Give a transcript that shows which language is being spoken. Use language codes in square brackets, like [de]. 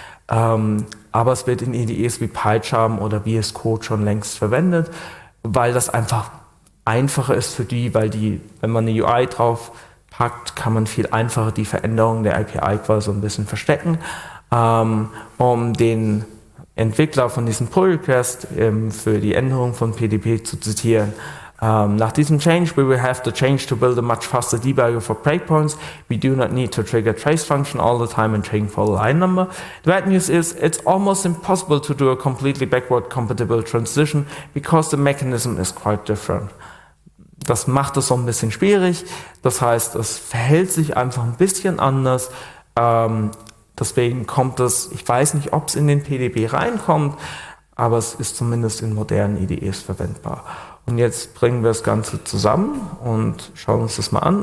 [de] Aber es wird in IDEs wie PyCharm oder VS Code schon längst verwendet, weil das einfach einfacher ist für die, weil die, wenn man eine UI drauf packt, kann man viel einfacher die Veränderungen der API quasi so ein bisschen verstecken. Um den Entwickler von diesem Pull Request für die Änderung von PDP zu zitieren: nach diesem Change, [en] we will have to change to build a much faster debugger for breakpoints. We do not need to trigger trace function all the time and train for a line number. The bad news is, it's almost impossible to do a completely backward compatible transition because the mechanism is quite different. [de] Das macht es so ein bisschen schwierig. Das heißt, es verhält sich einfach ein bisschen anders. Deswegen kommt es, ich weiß nicht, ob es in den PDB reinkommt, aber es ist zumindest in modernen IDEs verwendbar. Und jetzt bringen wir das Ganze zusammen und schauen uns das mal an.